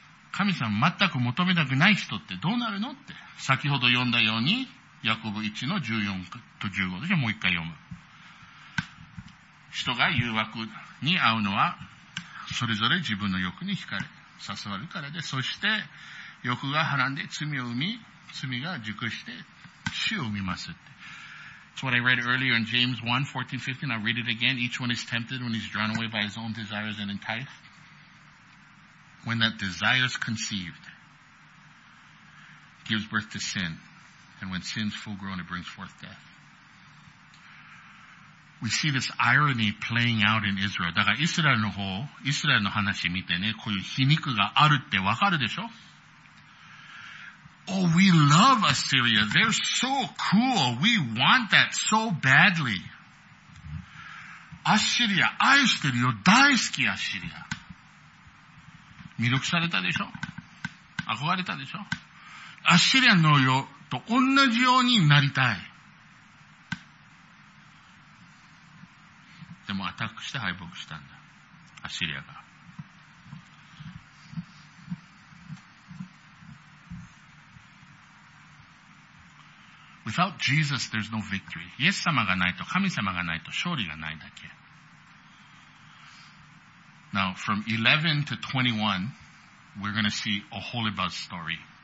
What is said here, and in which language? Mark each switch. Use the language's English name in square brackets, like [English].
[Japanese] 神様全く求めたくない人ってどうなるのって。先ほど読んだように、ヤコブ1の14と15でしょ、もう一回読む。人が誘惑に遭うのは、それぞれ自分の欲に惹かれ、誘われるからで、そして欲がはらんで罪を生み、罪が熟して死を生みますって。 [English] It's what I read earlier in James 1, 14, 15. I'll read it again. Each one is tempted when he's drawn away by his own desires and enticed. When that desire is conceived, gives birth to sin. And when sin's full grown, it brings forth death. We see this irony playing out in Israel. [Japanese] だからイスラエルの方、イスラエルの話見てね、こういう皮肉があるってわかるでしょ? [English] Oh, we love Assyria. They're so cool. We want that so badly. [Japanese] アッシリア、愛してるよ。大好きアッシリア。魅力されたでしょ?憧れたでしょ? アッシリアのよと同じようになりたい。でもアタックして敗北したんだ。アッシリアが。 [English] Without Jesus, there's no victory. [Japanese] イエス様がないと、神様がないと、勝利がないだけ。 [English] Now, from 11 to 21, we're going to see a Oholibah story.